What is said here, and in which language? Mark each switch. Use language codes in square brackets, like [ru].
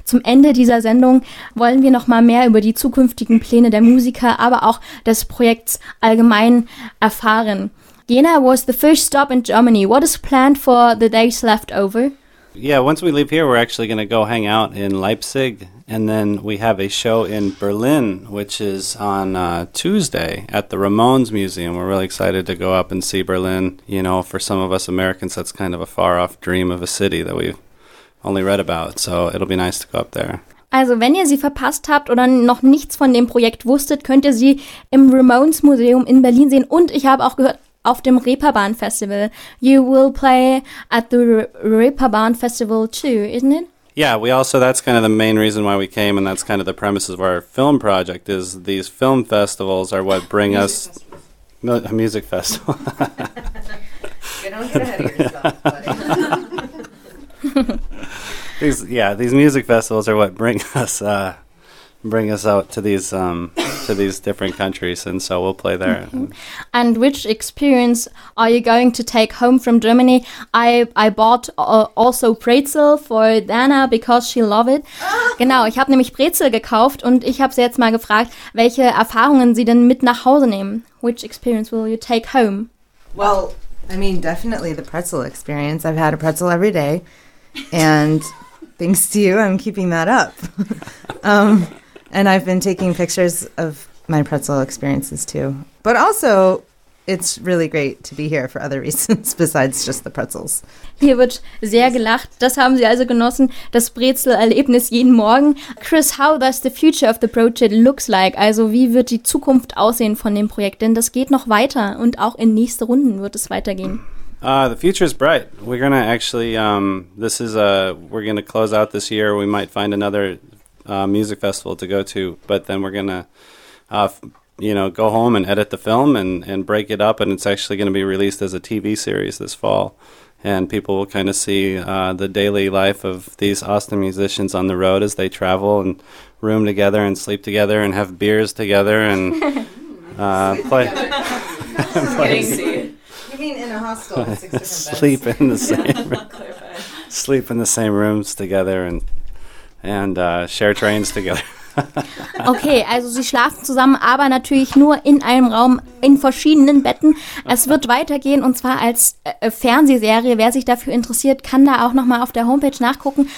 [de] Zum Ende dieser Sendung wollen wir noch mal mehr über die zukünftigen Pläne der Musiker, aber auch des Projekts allgemein erfahren. [en] Jena was the first stop in Germany. What is planned for the days left over? Yeah, once we leave here, we're actually going to go hang out in Leipzig. And then we have a show in Berlin, which is on Tuesday at the Ramones Museum. We're really excited to go up and see Berlin. You know, for some of us Americans, that's kind of a far-off dream of a city that we've only read about. So it'll be nice to go up there. [de] Also, wenn ihr sie verpasst habt oder noch nichts von dem Projekt wusstet, könnt ihr sie im Ramones Museum in Berlin sehen. Und ich habe auch gehört, auf dem Reeperbahn Festival. [en] You will play at the Reeperbahn Festival too, isn't it? Yeah, we also, that's kind of the main reason why we came, and that's kind of the premises of our film project, is these film festivals are what bring us... Festivals. No, a music festival. You don't get ahead of yourself. these music festivals are what bring us out to these... to these different countries, and so we'll play there. Mm-hmm. And which experience are you going to take home from Germany? I bought also Brezel for Dana because she loved it. [de] Genau, ich habe nämlich Brezel gekauft und ich habe sie jetzt mal gefragt, welche Erfahrungen sie denn mit nach Hause nehmen. [en] Which experience will you take home? Well, I mean, definitely the pretzel experience. I've had a pretzel every day, and thanks to you, I'm keeping that up. And I've been taking pictures of my pretzel experiences too. But also, it's really great to be here for other reasons besides just the pretzels. [de] Hier wird sehr gelacht. Das haben Sie also genossen, das Brezel-Erlebnis jeden Morgen. [en] Chris, how does the future of the project looks like? [de] Also, wie wird die Zukunft aussehen von dem Projekt? Denn das geht noch weiter und auch in nächste Runden wird es weitergehen. [en] The future is bright. We're going to actually, we're going to close out this year. We might find another... music festival to go to, but then we're gonna go home and edit the film and break it up, and it's actually going to be released as a TV series this fall, and people will kind of see the daily life of these Austin musicians on the road as they travel and room together and sleep together and have beers together and play together. You mean in a hostel? Sleep in the same sleep in the same rooms together and share trains together. [de] Okay, also sie schlafen zusammen, aber natürlich nur in einem Raum, in verschiedenen Betten. Es wird weitergehen und zwar als Fernsehserie. Wer sich dafür interessiert, kann da auch nochmal auf der Homepage nachgucken.